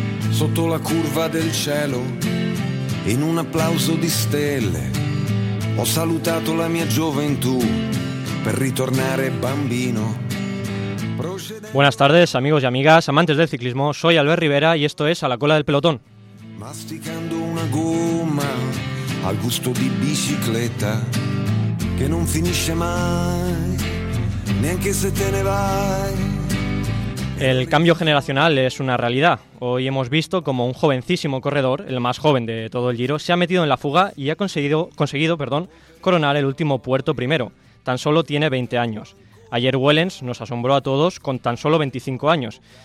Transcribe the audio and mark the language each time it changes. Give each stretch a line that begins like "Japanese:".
Italian: sotto la curva del cielo, in un applauso di stelle, ho salutato la mia gioventù per ritornare bambino.
Spanish: Buenas tardes, amigos y amigas, amantes del ciclismo. Soy Albert Rivera y esto es A la cola del pelotón.
Italian: Masticando una goma al gusto di bicicletta che non finisce mai, neanche se te ne vai.
Spanish: El cambio generacional es una realidad. Hoy hemos visto cómo un jovencísimo corredor, el más joven de todo el Giro, se ha metido en la fuga y ha conseguido coronar el último puerto primero. Tan solo tiene 20 años. Ayer Wellens nos asombró a todos con tan solo 25 años.